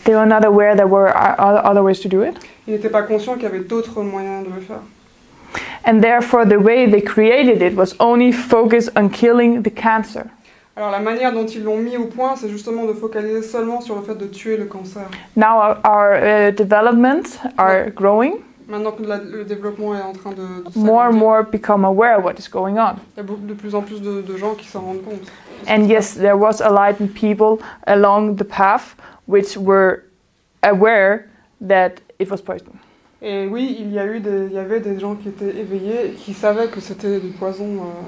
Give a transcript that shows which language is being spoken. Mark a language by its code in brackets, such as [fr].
[en] They were not aware there were other ways to do it. [fr] Ils n'étaient pas conscients qu'il y avait d'autres moyens de le faire. [en] And therefore the way they created it was only focused on killing the cancer. [fr] Alors la manière dont ils l'ont mis au point, c'est justement de focaliser seulement sur le fait de tuer le cancer. [en] Now our development are growing. [fr] Maintenant que le développement est en train de [en] more and more become aware of what is going on. [fr] Il y a de plus en plus de gens qui s'en rendent compte. [en] And yes, there was enlightened people along the path which were aware that it was poison. [fr] Et oui, il y avait des gens qui étaient éveillés et qui savaient que c'était du poison